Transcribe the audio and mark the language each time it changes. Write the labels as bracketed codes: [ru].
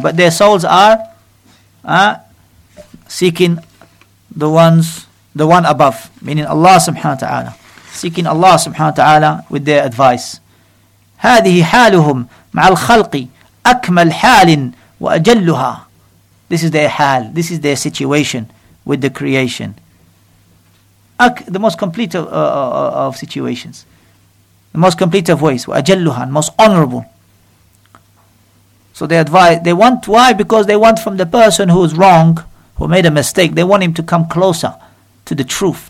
[en] But their souls are seeking the one above, meaning Allah subhanahu wa ta'ala. Seeking Allah subhanahu wa ta'ala with their advice. [ar] هذه حالهم مع الخلق أكمل حال وأجلها. [en] This is their hal, this is their situation with the creation. The most complete of situations. The most complete of ways. وأجلها, most honorable. So they advise, they want, why? Because they want from the person who is wrong, who made a mistake, they want him to come closer to the truth.